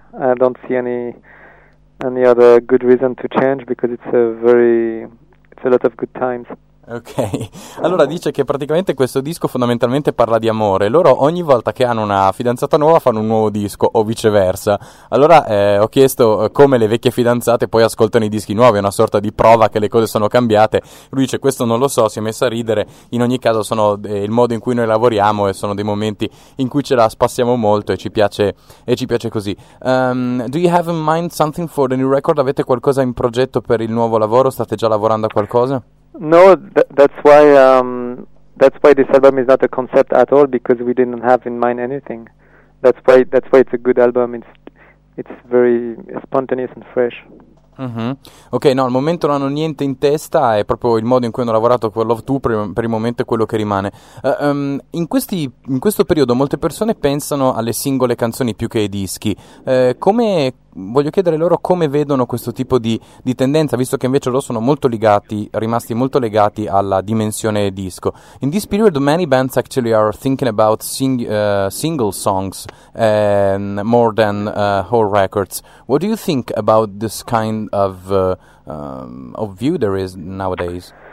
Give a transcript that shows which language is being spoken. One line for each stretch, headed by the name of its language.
English: I don't see any other good reason to change, because it's a lot of good times.
Italian: Ok, allora dice che praticamente questo disco fondamentalmente parla di amore. Loro ogni volta che hanno una fidanzata nuova fanno un nuovo disco, o viceversa. Allora ho chiesto come le vecchie fidanzate poi ascoltano i dischi nuovi, è una sorta di prova che le cose sono cambiate. Lui dice: questo non lo so, si è messo a ridere. In ogni caso sono il modo in cui noi lavoriamo, e sono dei momenti in cui ce la spassiamo molto e ci piace così.
English: Do you have in mind something for the new record?
Italian: Avete qualcosa in progetto per il nuovo lavoro? State già lavorando a qualcosa?
English: No, that's why this album is not a concept at all, because we didn't have in mind anything. That's why it's a good album. It's very spontaneous and fresh. Mm-hmm.
Italian: Ok, no, al momento non hanno niente in testa, è proprio il modo in cui hanno lavorato con Love 2 per il momento è quello che rimane. In questo periodo molte persone pensano alle singole canzoni più che ai dischi. Voglio chiedere loro come vedono questo tipo di tendenza, visto che invece loro sono molto rimasti molto legati alla dimensione disco.
English: In this period many bands actually are thinking about single songs more than whole records. What do you think about this kind of view there is nowadays?